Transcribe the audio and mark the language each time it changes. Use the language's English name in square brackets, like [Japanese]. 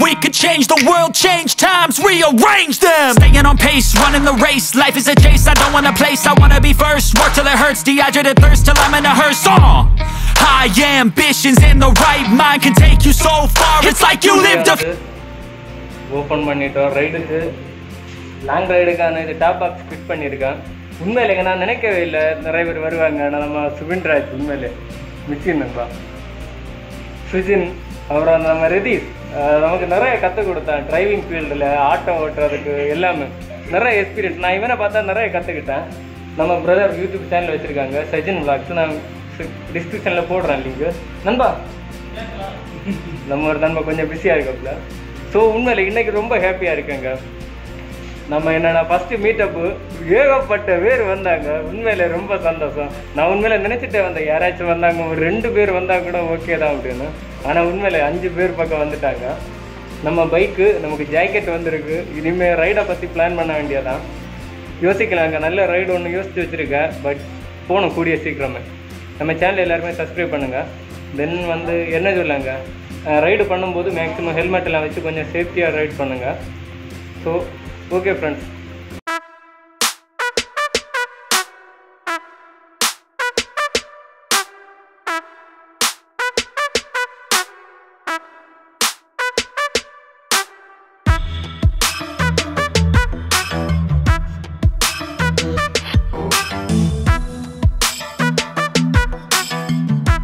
[English] We could change the world, change times, rearrange them. Staying on pace, running the race. Life is a chase, I don't want a place. I wanna be first, work till it hurts. Dehydrated thirst till I'm in a hearse. High ambitions in the right mind can take you so far. It's like you lived a... Open money door, right in here. [Tamil] Long ரைடுக்கான இது top apps fit பண்ணியிருக்கேன். உண்மையில நான் நினைக்கவே இல்லை நிறைய பேர் வருவாங்க. ஆனால் நம்ம சுபின் ராஜ் உண்மையில மிச்சின் நண்பா சுஜின், அப்புறம் நம்ம ரதீஸ் நமக்கு நிறைய கற்றுக் கொடுத்தான். டிரைவிங் ஃபீல்டில் ஆட்டோ ஓட்டுறதுக்கு எல்லாமே நிறைய எக்ஸ்பீரியன்ஸ். நான் இவனை பார்த்தா நிறைய கற்றுக்கிட்டேன். நம்ம பிரதர் யூடியூப் சேனல் வச்சுருக்காங்க, சஜின் வ்ளாக்ஸ். நான் டிஸ்கிரிப்ஷனில் போடுறேன் லிங்க். நண்பா, நம்ம ஒரு நண்பா கொஞ்சம் பிஸியாக இருக்கப்பில். ஸோ உண்மையில் இன்றைக்கி ரொம்ப ஹாப்பியாக இருக்கேங்க. நம்ம என்னென்னா ஃபஸ்ட்டு மீட்டப்பு, ஏகப்பட்ட பேர் வந்தாங்க. உண்மையில ரொம்ப சந்தோஷம். நான் உண்மையில நினச்சிட்டே வந்தேன் யாராச்சும் வந்தாங்க, ஒரு ரெண்டு பேர் வந்தால் கூட ஓகே தான் அப்படின்னு. ஆனால் உண்மையில அஞ்சு பேர் பக்கம் வந்துட்டாங்க. நம்ம பைக்கு, நமக்கு ஜாக்கெட் வந்திருக்கு. இனிமேல் ரைடை பற்றி பிளான் பண்ண வேண்டியதான். யோசிக்கலாங்க, நல்ல ரைடு ஒன்று யோசித்து வச்சுருக்கேன். பட் போகணும் கூடிய சீக்கிரமே. நம்ம சேனல் எல்லாருமே சப்ஸ்கிரைப் பண்ணுங்கள். தென் வந்து என்ன சொல்லாங்க, ரைடு பண்ணும்போது மேக்ஸிமம் ஹெல்மெட்டெல்லாம் வச்சு கொஞ்சம் சேஃப்டியாக ரைட் பண்ணுங்கள். So okay friends, [English] we'll be right back.